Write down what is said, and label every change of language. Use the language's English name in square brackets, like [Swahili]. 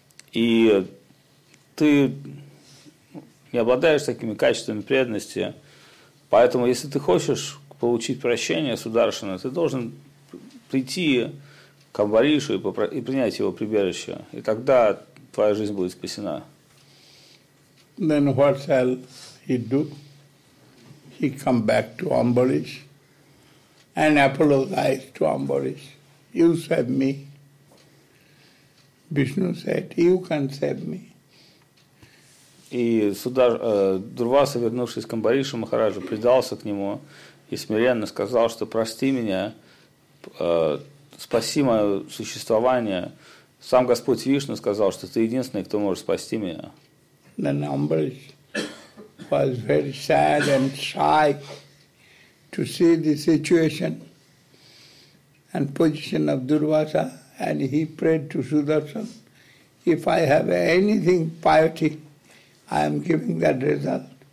[Russian] И ты не обладаешь такими качествами преданности, поэтому если ты хочешь получить прощение Сударшана, ты должен прийти к Амбаришу и принять его прибежище, и тогда твоя жизнь будет спасена. [English] Then what shall he do? He come back to Ambarish and apologize to Ambarish. You save me. Vishnu said, you can save me. [Russian] И Дурваса, вернувшись к Амбаришу Махараджу, предался к нему и смиренно сказал, что прости меня, спаси мое существование. Сам Господь Вишну сказал, что ты единственный, кто может спасти меня. [English] Then Ambarish was very sad and shy to see the situation. and position of Durvasa, and he prayed to Sudarshan, if I have anything piety, I am giving that result.